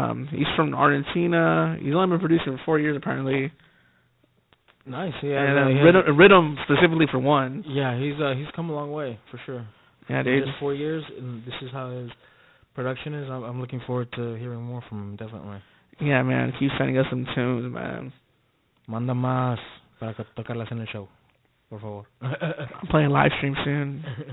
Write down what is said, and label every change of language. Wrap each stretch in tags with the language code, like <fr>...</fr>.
<en>He's from Argentina. He's only been producing for 4 years, apparently. Nice, yeah. And yeah. Rhythm specifically for one. Yeah, he's come a long way, for sure. Yeah, dude. He did 4 years, and this is how his production is. I'm looking forward to hearing more from him, definitely. Yeah, man, keep sending us some tunes, man.</en> <es>Manda más para tocarlas en el show, por favor.</es> <en>I'm playing live stream soon.</en>